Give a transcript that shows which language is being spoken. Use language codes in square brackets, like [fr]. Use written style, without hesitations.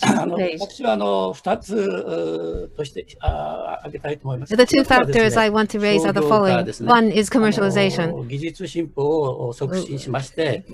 [ja] 私は2つとして挙げたいと思います。 [en] The two factors I want to raise are the following. One is commercialization. [ja] 技術進歩を促進しまして、